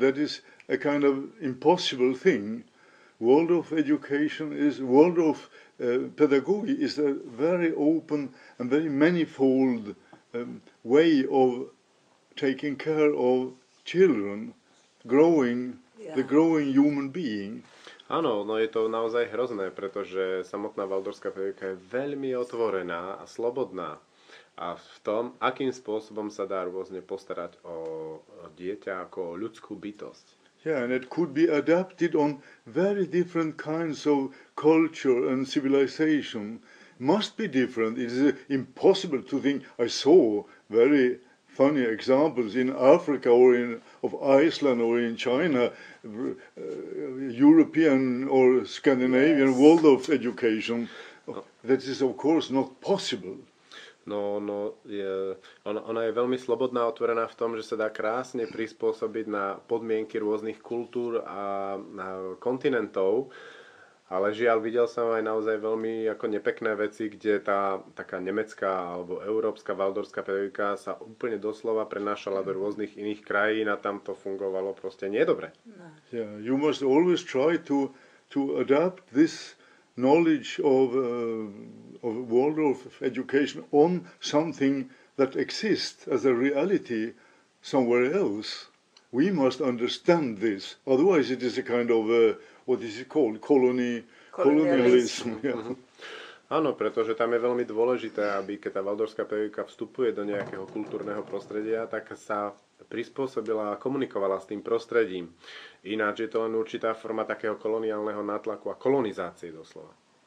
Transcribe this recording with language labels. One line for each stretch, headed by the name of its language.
English: That is a kind of impossible thing. World of education is, world of pedagogy is a very open and very manifold way of taking care of children, growing, yeah, the growing human being.
Slovak: Áno, no je to naozaj hrozné, pretože samotná Waldorfská pedagogika je veľmi otvorená a slobodná. A v tom, akým spôsobom sa dá rôzne postarať o dieťa ako o ľudskú bytosť.
English: Yeah, and it could be adapted on very different kinds of culture and civilization. Must be different. It is impossible to think. I saw very funny examples in Africa or in of Iceland or in China, European or Scandinavian, yes, world of education. That is, of course, not possible.
Slovak: No, no, je, ona je veľmi slobodná, otvorená v tom, že sa dá krásne prispôsobiť na podmienky rôznych kultúr a na kontinentov, ale žiaľ, videl som aj naozaj veľmi ako nepekné veci, kde tá taká nemecká alebo európska Waldorfská pedagogika sa úplne doslova prenášala do rôznych iných krajín a tam to fungovalo proste niedobre.
English: Yeah, you must always try to adapt this knowledge of Waldorf education on something that exists as a reality somewhere else. We must understand this. Otherwise it is a kind of, what is it called, colonialism.
Slovak: Áno, pretože tam je veľmi dôležité, aby keď tá Waldorfská pedagogika vstupuje do nejakého kultúrneho prostredia, tak sa prispôsobila a komunikovala s tým prostredím. Ináč je to len určitá forma takého koloniálneho nátlaku a kolonizácie doslova.